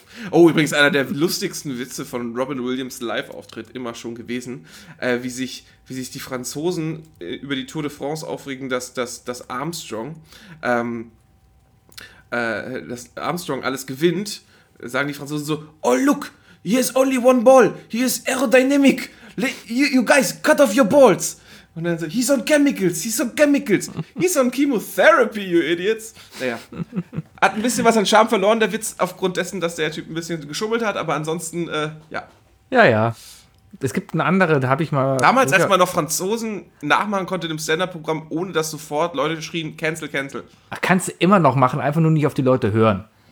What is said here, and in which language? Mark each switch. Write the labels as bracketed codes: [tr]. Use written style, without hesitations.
[de] Oh, übrigens einer der lustigsten Witze von Robin Williams Live-Auftritt immer schon gewesen, wie sich die Franzosen über die Tour de France aufregen, dass Armstrong alles gewinnt. Sagen die Franzosen so, [en] oh look, he has only one ball, he is aerodynamic, you guys, cut off your balls. [de] Und dann so, [en] he's on chemicals, he's on chemotherapy, you idiots. [de] Naja, hat ein bisschen was an Charme verloren, der Witz, aufgrund dessen, dass der Typ ein bisschen geschummelt hat, aber ansonsten, ja, Ja, ja. Es gibt eine andere, da habe ich mal... Damals, als man noch Franzosen nachmachen konnte im Stand-Up-Programm, ohne dass sofort Leute schrien, cancel, cancel. Ach, kannst du immer noch machen, einfach nur nicht auf die Leute hören.